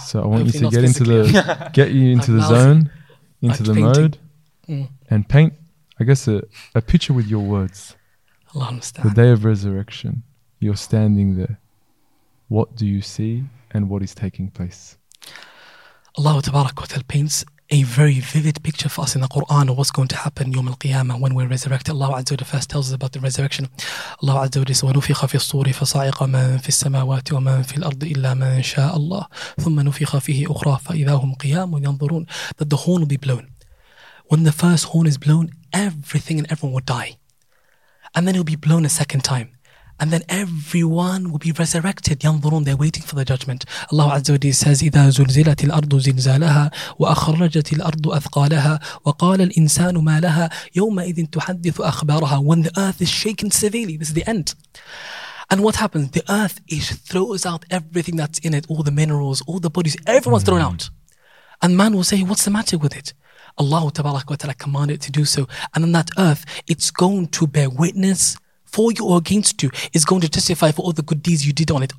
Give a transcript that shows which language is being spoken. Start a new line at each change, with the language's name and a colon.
English: So I want you to get into the zone, into the mode, and paint, I guess, a picture with your words. Allah understand. The day of resurrection, you're standing there. What do you see, and what is taking place? Allah Tabarak wa Ta'ala paints a very vivid picture for us in the Quran of what's going to happen Yawm al-Qiyamah when we're resurrected. Allah Azza wa Jalla first tells us about the resurrection. Allah Azza wa Jalla says,
Arabic: وَنُفِخَ فِي الصُّورِ فَصَعِقَ مَن فِي السَّمَاوَاتِ وَمَن فِي الْأَرْضِ إِلَّا مَن شَاءَ اللَّهِ ثُمَّ نُفِخَ فِيهِ أُخْرَى فَإِذَا هُمْ قِيَامٌ يَنظُرُونَ.
English: That the horn will be blown. When the first horn is blown, everything and everyone will die. And then it will be blown a second time. And then everyone will be resurrected. ينظرون, they're waiting for the judgment. Allah Azza wa Jalla says,
Arabic: إِذَا زُلْزِلَتِ الْأَرْضُ زِلْزَالَهَا وَأَخْرَجَتِ الْأَرْضُ أَثْقَالَهَا وَقَالَ الْإِنسَانُ مَا لَهَا يَوْمَئِذٍ تُحَدِّثُ أَخْبَارَهَا.
English: When the earth is shaken severely, this is the end. And what happens? The earth is throws out everything that's in it, all the minerals, all the bodies, everyone's thrown out. And man will say, what's the matter with it? Allah Tabarak wa Ta'ala commanded it to do so. And on that earth, it's going to bear witness for you or against you, is going to testify for all the good deeds you did on it.